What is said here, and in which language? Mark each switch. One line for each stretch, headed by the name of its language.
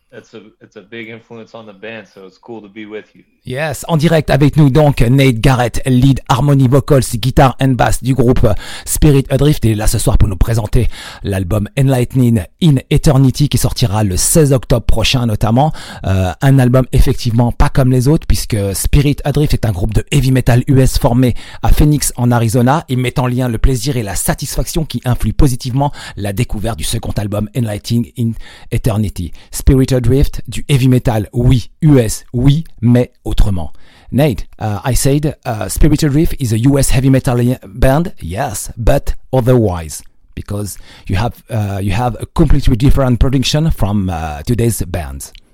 English: It's a big influence on the band, so it's cool to be with you.
French: Yes, en direct avec nous donc Nate Garrett, lead harmony vocals, guitare and bass du groupe Spirit Adrift, est là ce soir pour nous présenter l'album Enlightening in Eternity qui sortira le 16 octobre prochain notamment. Un album effectivement pas comme les autres puisque Spirit Adrift est un groupe de heavy metal US formé à Phoenix en Arizona et met en lien le plaisir et la satisfaction qui influent positivement la découverte du second album Enlightening in Eternity. Spirit Adrift, du heavy metal, oui, US, oui, mais autrement.
English: Nate, I said Spirit Adrift is a US heavy metal band, yes, but otherwise, because you have a completely different production from today's bands.